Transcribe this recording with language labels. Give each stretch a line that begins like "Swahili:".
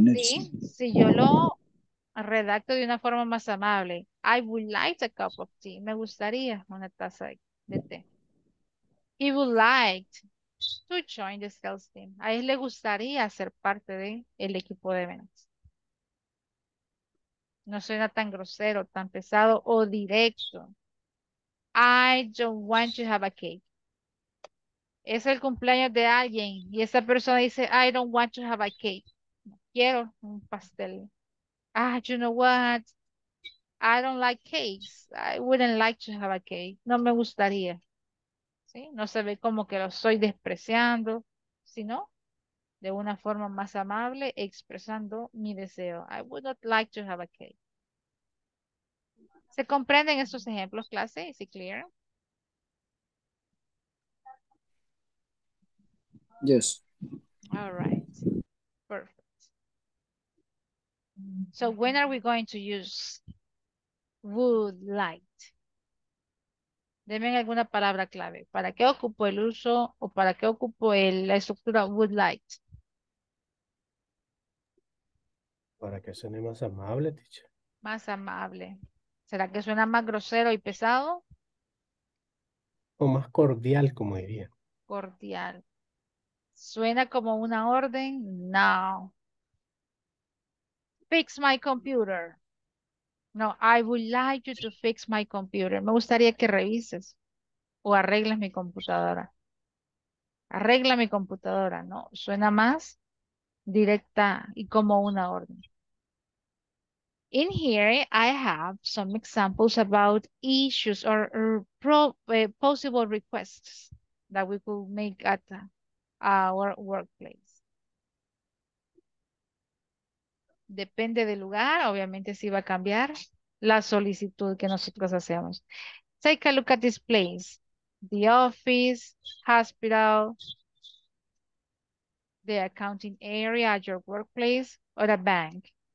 Spanish: sí, si yo lo redacto de una forma más amable.
English: I would like a cup of tea.
Spanish: Me gustaría una taza de té.
English: He would like to join the sales team.
Spanish: A él le gustaría ser parte del equipo de ventas. No suena tan grosero, tan pesado o directo.
English: I don't want to have a cake.
Spanish: Es el cumpleaños de alguien y esa persona dice,
English: I don't want to have a cake.
Spanish: Quiero un pastel.
English: Ah, you know what? I don't like cakes. I wouldn't like to have a cake.
Spanish: No me gustaría. ¿Sí? No se ve como que lo estoy despreciando, sino de una forma más amable expresando mi deseo.
English: I would not like to have a cake.
Spanish: ¿Se comprenden estos ejemplos, clase?
English: ¿Is it clear? Yes. All right. Perfect. So when are we going to use would like?
Spanish: Deme alguna palabra clave. ¿Para qué ocupo el uso o para qué ocupo el, la estructura would like? Para que suene más amable, teacher. Más amable. ¿Será que suena más grosero y pesado? O más cordial, como diría. Cordial. ¿Suena como una orden? No.
English: Fix my computer. No, I would like you to fix my computer.
Spanish: Me gustaría que revises o arregles mi computadora. Arregla mi computadora, ¿no? Suena más directa y como una orden.
English: In here, I have some examples about issues or possible requests that we could make at our workplace.
Spanish: Depende del lugar, obviamente sí va a cambiar la solicitud que nosotros hacemos.
English: Take a look at this place. The office, hospital, the accounting area at your workplace, or a bank.